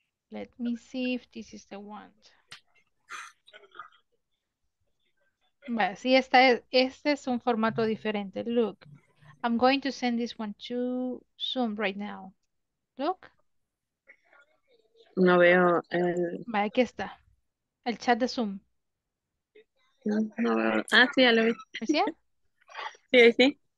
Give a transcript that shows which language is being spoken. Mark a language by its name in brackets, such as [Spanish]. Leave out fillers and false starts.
[English] Let me see if this is the one. [Spanish] Bueno, sí, esta es, este es un formato diferente. [English] Look, I'm going to send this one to Zoom right now. Look. [Spanish] No veo el... Vale, aquí está. El chat de Zoom. No veo. Ah, sí, ya lo vi.